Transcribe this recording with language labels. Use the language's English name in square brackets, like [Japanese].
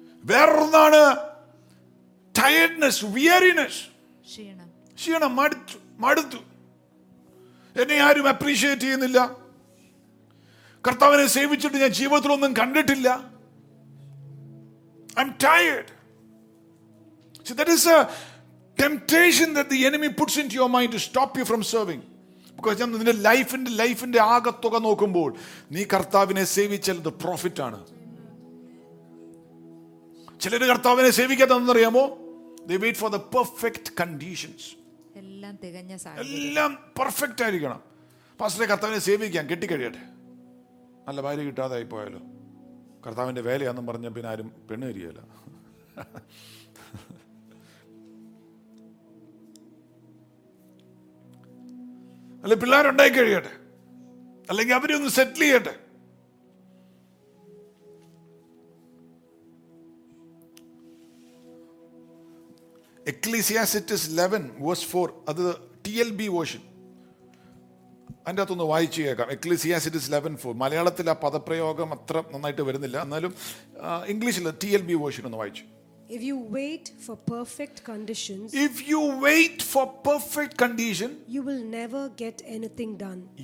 [Malayalam] വേറൊന്നാണ് [English] tiredness, weariness. [Malayalam] ക്ഷീണം, മടുത്തു മടുത്തു. എന്നെ ആരും അപ്രീഷിയേറ്റ് ചെയ്യുന്നില്ല. കർത്താവിനെ സേവിച്ചിട്ട് ഞാൻ ജീവിതത്തിലൊന്നും കണ്ടിട്ടില്ല. [English] I'm tired. See, that is a temptation that the enemy puts into your mind to stop you from serving. Because [Malayalam] ഞാൻ നിന്റെ ലൈഫിന്റെ ആകത്തുക നോക്കുമ്പോൾ, നീ കർത്താവിനെ സേവിച്ചാൽ അത് പ്രോഫിറ്റ് ആണ്. ചിലര് കർത്താവിനെ സേവിക്കാത്തറിയാമോ? [English] They wait for the perfect conditions. [Malayalam] എല്ലാം തികഞ്ഞ സാഹചര്യം, എല്ലാം പെർഫെക്റ്റ് ആയിരിക്കണം. പാസ്റ്ററെ, കർത്താവിനെ സേവിക്കാം, കെട്ടിക്കഴിയട്ടെ, നല്ല ഭാര്യ കിട്ടാതെ ആയിപ്പോയാലോ, കർത്താവിന്റെ വേലയാന്ന് പറഞ്ഞ പിന്നെ ആരും പെണ്ണു തരികയില്ല. അല്ല, പിള്ളേരുണ്ടായി കഴിയട്ടെ, അല്ലെങ്കിൽ അവരെ ഒന്ന് സെറ്റിൽ ചെയ്യട്ടെ. Ecclesiastes 11:4, അത് TLB വേർഷൻ, അതിൻ്റെ അകത്തൊന്ന് വായിച്ചു കേൾക്കാം. Ecclesiastes 11:4, മലയാളത്തിൽ ആ പദപ്രയോഗം അത്ര നന്നായിട്ട് വരുന്നില്ല, എന്നാലും ഇംഗ്ലീഷിൽ TLB വേർഷൻ ഒന്ന് വായിച്ചു. [English] If you wait for perfect conditions, you will never get anything done.